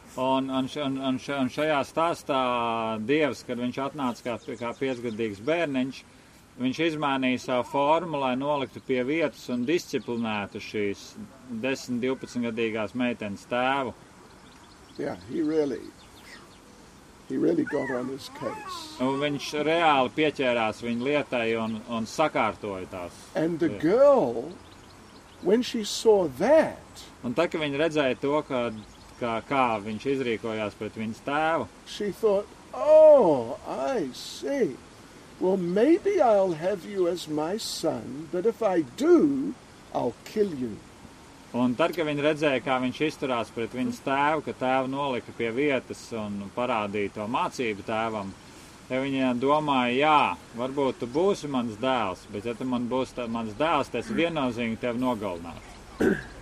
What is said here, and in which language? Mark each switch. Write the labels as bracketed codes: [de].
[lv] Un šajā stāstā Dievs, kad viņš atnāca kā 5-gadīgs bērniņš, viņš izmainīja savu formu, lai noliktu pie vietas un disciplinētu šīs 10-12 gadīgās meitenes tēvu. [en] Yeah, he really got on his case. [lv] Un viņš reāli pieķērās viņa lietai un sakārtoja tās. [en] And the girl, when she saw that, [lv] un tā, ka viņa redzēja to, kā viņš izrīkojās pret viņas tēvu, [en] she thought, oh, I see. Well, maybe I'll have you as my son, but if I do, I'll kill you. [lv] Un tad, kad viņa redzēja, kā viņš izturās pret viņas tēvu, ka tēvu nolika pie vietas un parādīja to mācību tēvam, tad viņa domāja, jā, varbūt tu būsi mans dēls, bet ja tu man būsi mans dēls, tad es viennozīmīgi tevi nogalināšu.